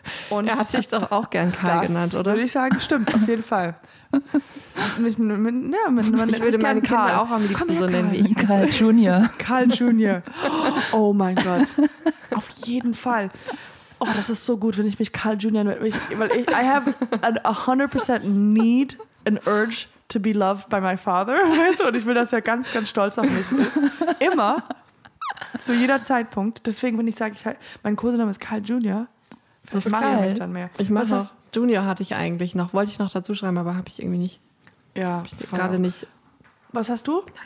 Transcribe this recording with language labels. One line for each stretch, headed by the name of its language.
German: Und er hat sich doch auch gern Karl genannt, oder? Würde ich sagen, stimmt, auf jeden Fall. Ich würde meinen Karl auch am liebsten her, so nennen wie ich. Karl Junior. Karl Junior. Oh mein Gott. Auf jeden Fall. Oh, das ist so gut, wenn ich mich Karl Junior nenne. Weil ich,
English: I have a 100% need and urge to be loved by my father.
German: Weißt du? Und ich will, dass er ganz, ganz stolz auf mich ist. Immer. Zu jeder Zeitpunkt. Deswegen, wenn ich sage, mein Kosename ist Karl Junior, vielleicht mache ich mich dann mehr. Ich mache auch. Junior hatte ich eigentlich noch. Wollte ich noch dazu schreiben, aber habe ich irgendwie nicht. Ja. Gerade nicht. Was hast du?